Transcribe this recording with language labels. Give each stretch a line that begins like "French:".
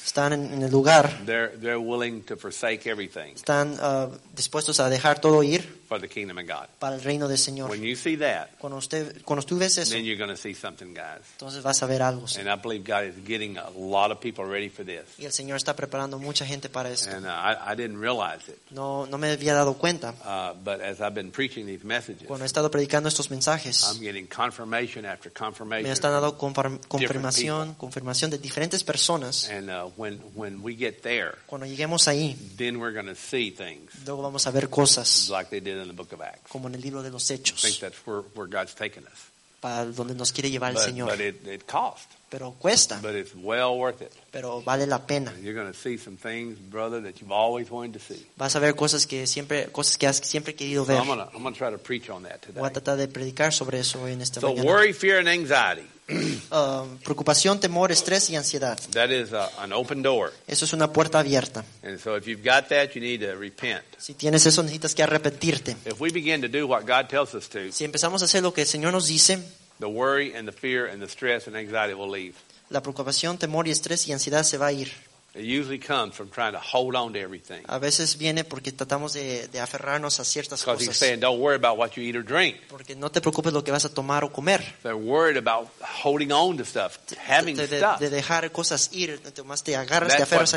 Spanish: Están en el lugar.
English: They're willing to forsake everything.
Spanish: Están dispuestos a dejar todo ir.
English: For the kingdom of God.
Spanish: Para el reino del Señor.
English: When you see that.
Spanish: Cuando tú ves eso.
English: Then you're going to see something, guys.
Spanish: Entonces vas a ver algo.
English: And I believe God is getting a lot of people ready for this.
Spanish: Y el Señor está preparando mucha gente para esto.
English: And I didn't realize it.
Spanish: No me había dado cuenta.
English: But as I've been preaching these messages.
Spanish: Cuando he estado predicando estos mensajes.
English: I'm getting confirmation after confirmation.
Spanish: Me están dando confirmación de diferentes personas.
English: And when we get there.
Spanish: Cuando lleguemos ahí.
English: Then we're going to see things.
Spanish: Luego vamos a ver cosas.
English: Like they did in the book of Acts.
Spanish: Como en el libro de los Hechos.
English: I think that's where God's taking us.
Spanish: Para donde nos quiere llevar el Señor.
English: But it cost.
Spanish: Pero cuesta.
English: But it's well worth it.
Spanish: Pero vale la pena.
English: You're going to see some things, brother, that you've always wanted to see.
Spanish: Vas a ver cosas que has siempre querido ver.
English: So I'm going to try to preach on that today.
Spanish: Voy a tratar de predicar sobre eso hoy en esta
English: mañana. So worry, fear, and anxiety.
Spanish: Preocupación, temor, estrés y ansiedad.
English: That is an open door.
Spanish: Eso es una puerta abierta.
English: And so if you've got that, you need to repent.
Spanish: Si tienes eso, necesitas que arrepentirte.
English: If we begin to do what God tells us to.
Spanish: Si empezamos a hacer lo que el Señor nos dice.
English: The worry and the fear and the stress and anxiety will leave.
Spanish: La preocupación, temor y estrés y ansiedad se va a ir.
English: It usually comes from trying to hold on to everything.
Spanish: A veces viene porque tratamos de aferrarnos a ciertas cosas.
English: Because he's saying, don't worry about what you eat or drink.
Spanish: Porque no te preocupes lo que vas a tomar o comer.
English: They're worried about holding on to stuff, having stuff.
Spanish: De dejar cosas ir, más te agarras, te aferras a eso.